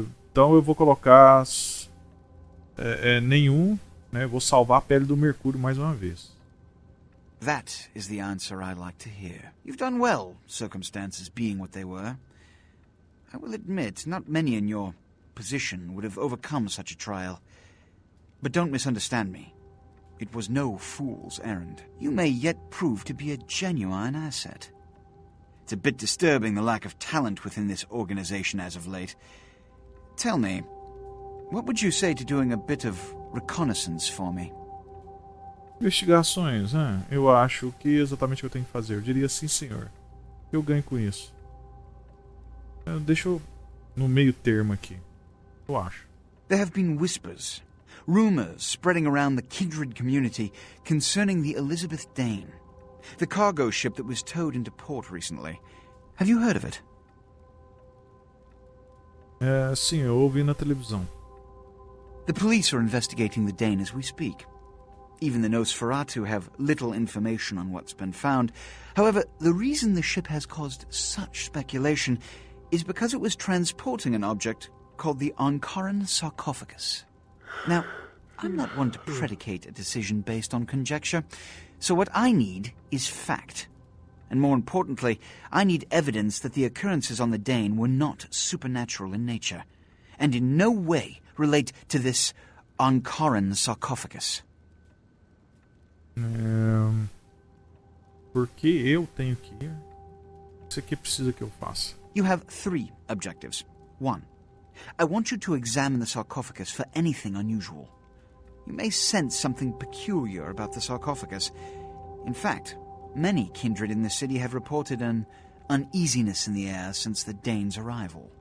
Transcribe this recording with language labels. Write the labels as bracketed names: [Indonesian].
[Portuguese] Então eu vou colocar nenhum, né? Vou salvar a pele do Mercúrio mais uma vez. [English] That is the answer I like to hear. You've done well, circumstances being what they were. I will admit, not many in your position would have overcome such a trial. But don't misunderstand me. It was no fool's errand. You may yet prove to be a genuine asset. It's a bit disturbing the lack of talent within this organization as of late. Tell me, what would you say to doing a bit of reconnaissance for me? [Portuguese] Investigações, né? Eu acho que exatamente o que eu tenho que fazer. Eu diria sim, senhor. O que eu ganho com isso? Deixa eu no meio termo aqui. Eu acho. [English] There have been whispers, rumors spreading around the kindred community concerning the Elizabeth Dane. The cargo ship that was towed into port recently. Have you heard of it? [Portuguese] Sim, eu ouvi na televisão. [English] The police are investigating the Dane as we speak. Even the Nosferatu have little information on what's been found. However, the reason the ship has caused such speculation is because it was transporting an object called the Ankaran sarcophagus. Now, I'm not one to predicate a decision based on conjecture. So what I need is fact. And more importantly, I need evidence that the occurrences on the Dane were not supernatural in nature, and in no way relate to this Ankaran sarcophagus. [Portuguese] Por que eu tenho que ir? Isso aqui precisa que eu faça. [English] You have three objectives. One, I want you to examine the sarcophagus for anything unusual. You may sense something peculiar about the sarcophagus. In fact, many kindred in the city have reported an uneasiness in the air since the Dane's arrival.